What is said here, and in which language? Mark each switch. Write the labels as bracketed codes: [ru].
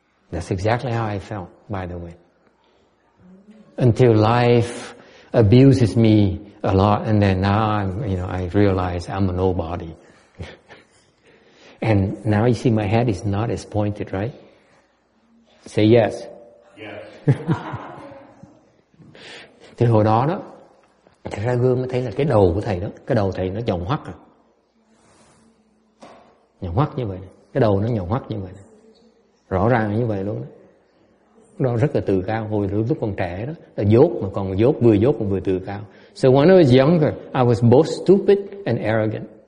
[en] That's exactly how I felt, by the way. Until life abuses me a lot, and then now I'm, you know, I realize I'm a nobody. And now you see my head is not as pointed, right? Say yes. Yes. [vi] Thì hồi đó đó, thầy ra gương mới thấy là cái đầu của thầy đó, cái đầu thầy nó nhọn hoắt à. Nhọn hoắt như vậy, cái đầu nó nhọn hoắt như vậy. Rõ ràng như vậy luôn đó. Đó rất là tự cao, hồi lúc còn trẻ đó, là dốt mà còn dốt, vừa dốt mà vừa tự cao. [en] So when I was younger, I was both stupid and arrogant.